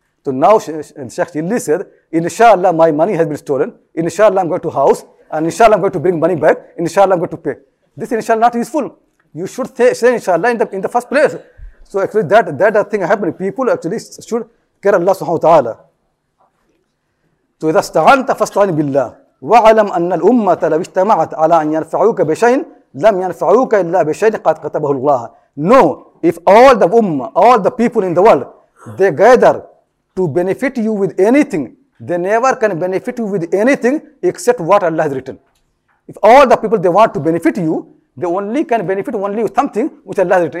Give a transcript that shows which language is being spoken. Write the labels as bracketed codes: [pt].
[en] So now Sheikh Chilli said, inshallah my money has been stolen, inshallah I'm going to house, and inshallah I'm going to bring money back, inshallah I'm going to pay. This inshallah not useful. You should say inshallah in the first place. So actually that thing happened. People actually should care Allah subhanahu wa ta'ala. So [ar] إذا استعنت فاستعن بالله وعلم أن الأمة لو اجتمعت على أن ينفعوك بشيء لم ينفعوك إلا بشيء قد كتبه الله. [en] No, if all the ummah, all the people in the world, they gather to benefit you with anything, they never can benefit you with anything except what Allah has written. If all the people, they want to benefit you, they only can benefit only with something which Allah has written.